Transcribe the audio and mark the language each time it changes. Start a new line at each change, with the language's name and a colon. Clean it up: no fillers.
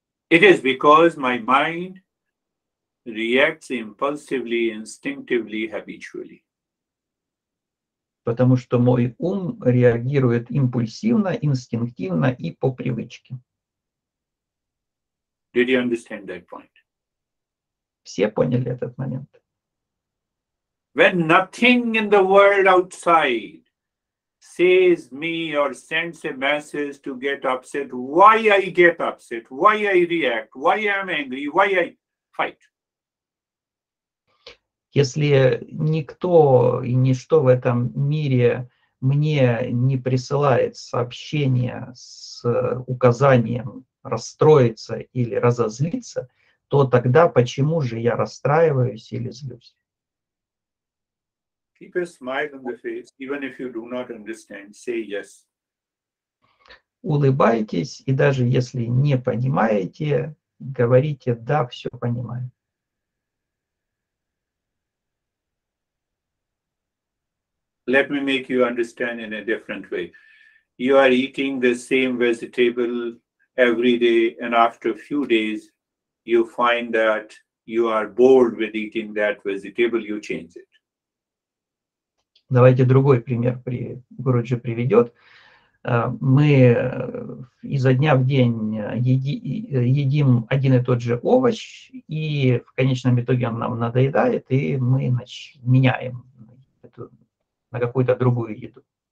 English: It is because my mind reacts impulsively, instinctively, habitually.
Russian: Потому что мой ум реагирует импульсивно, инстинктивно и по привычке.
English: Did you understand that point?
Russian: Все поняли этот момент?
English: When nothing in the world outside says me or sends a message to get upset, why I get upset, why I react, why I'm angry, why I fight?
Russian: Если никто и ничто в этом мире мне не присылает сообщения с указанием расстроиться или разозлиться, то тогда почему же я расстраиваюсь или злюсь?
English: Keep a smile on the face, even if you do not understand, say yes.
Russian: Улыбайтесь, и даже если не понимаете, говорите «да, все понимаю».
English: Let me make you understand in a different way. You are eating the same vegetable every day, and after a few days, you find that you are bored with eating that vegetable, you change it.
Russian: Давайте другой пример Гуруджи приведет. Мы изо дня в день едим один и тот же овощ, и в конечном итоге он нам надоедает, и мы меняем эту, на какую-то другую еду.